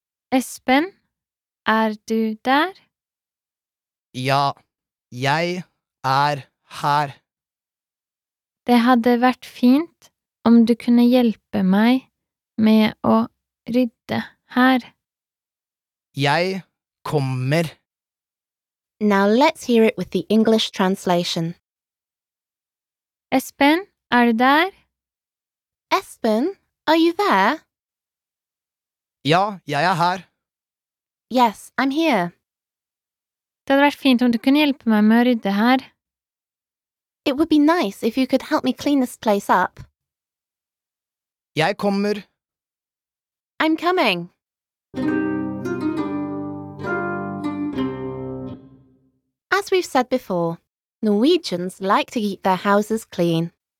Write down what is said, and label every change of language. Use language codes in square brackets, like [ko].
[no] Espen, du der? Ja, jeg her. Det hadde vært fint om du kunne hjelpe meg med å rydde her. Jeg kommer. [en] Now let's hear it with the English translation. [no] Espen, du der? [en] Espen, are you there? [no] Ja, jeg her. [en] Yes, I'm here. [no] Det hadde vært fint om du kunne hjelpe meg med å rydde her. [en] It would be nice if you could help me clean this place up. [no] Jeg kommer. [en] I'm coming. As we've said before, Norwegians like to keep their houses clean.